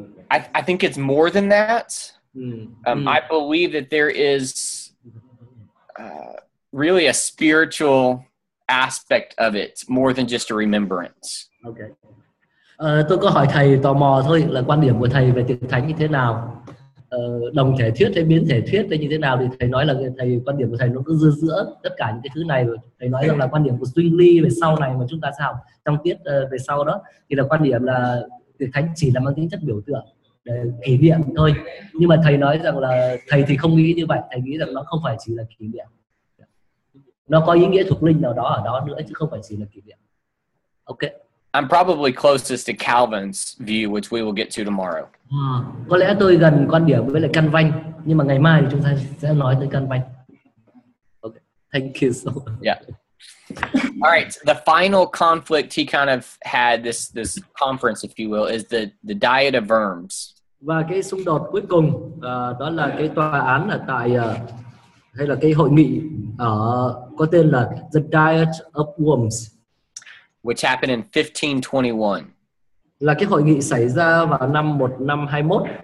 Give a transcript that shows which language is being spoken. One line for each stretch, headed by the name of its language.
English: I think it's more than that. I believe that there is... really a spiritual aspect of it, more than just a remembrance. Okay.
Vietnamese: Tôi có hỏi thầy tò mò thôi là quan điểm của thầy về tiệc thánh như thế nào? Đồng thể thuyết hay biến thể thuyết hay như thế nào? Thì thầy nói là thầy quan điểm của thầy nó cứ dư giữa tất cả những cái thứ này. Thầy nói rằng là quan điểm của Zwingli về sau này mà chúng ta sao trong tiết về sau đó thì là quan điểm là tiệc thánh chỉ là mang tính chất biểu tượng, kỷ niệm thôi. Nhưng mà thầy nói rằng là thầy thì không nghĩ như vậy. Thầy nghĩ rằng nó không phải chỉ là kỷ niệm. Nó có ý nghĩa thuộc linh nào đó ở đó nữa chứ không phải chỉ là kỷ niệm.
English: Okay. I'm probably closest to Calvin's view, which we will get to tomorrow.
Vietnamese: Có lẽ tôi gần quan điểm với lại Căn Vanh, nhưng mà ngày mai thì chúng ta sẽ nói tới Căn Vanh.
English: Okay. Thank you so much. Yeah. All right, the final conflict he kind of had this conference, if you will, is the diet of worms.
Vietnamese: Và cái xung đột cuối cùng đó là cái tòa án ở tại hay là cái hội nghị có tên là The Diet of Worms,
English: which happened in 1521.
Vietnamese: Là cái hội nghị xảy ra vào năm 1521.